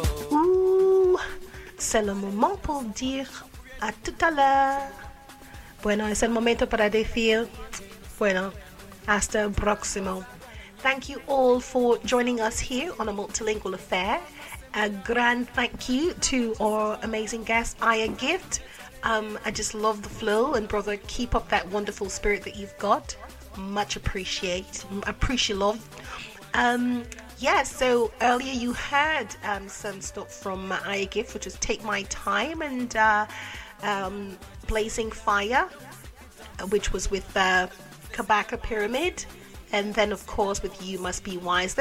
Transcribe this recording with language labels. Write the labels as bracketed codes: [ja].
[fr] Ouh, c'est le moment pour dire à tout à l'heure. [es] Bueno, es el momento para decir bueno, hasta el próximo. [en] Thank you all for joining us here on A Multilingual Affair. A grand thank you to our amazing guest, Iyah-Gift. I just love the flow, and brother, keep up that wonderful spirit that you've got. Much appreciate. Appreciate love. So earlier you heard some stuff from Iyah-Gift, which is Take My Time, and Blazing Fire, which was with the Kabaka Pyramid, and then of course with You Must Be Wise.